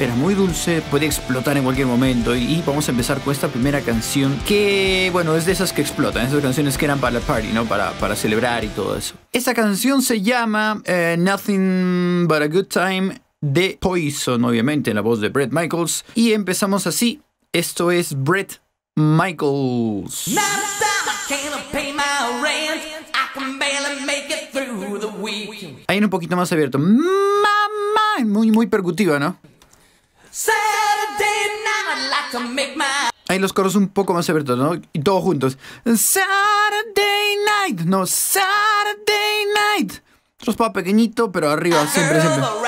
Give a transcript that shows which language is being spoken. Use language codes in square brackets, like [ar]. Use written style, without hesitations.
[es] Era muy dulce, podía explotar en cualquier momento. Y vamos a empezar con esta primera canción, que bueno, es de esas que explotan, esas canciones que eran para la party, ¿no? Para celebrar y todo eso. Esta canción se llama Nothing But A Good Time, de Poison, obviamente, en la voz de Bret Michaels. Y empezamos así. Esto es Bret Michaels. [en] Not a dime, can't pay my rent. I can barely make it through the week. [es] Ahí en un poquito más abierto. Mamá, muy, muy percutiva, ¿no? [en] Saturday night, I'd like to make my... [es] Ahí los coros un poco más abiertos, ¿no? Y todos juntos. [en] Saturday night. [es] No, [en] Saturday night. [es] Otro spot pequeñito, pero arriba, siempre, siempre.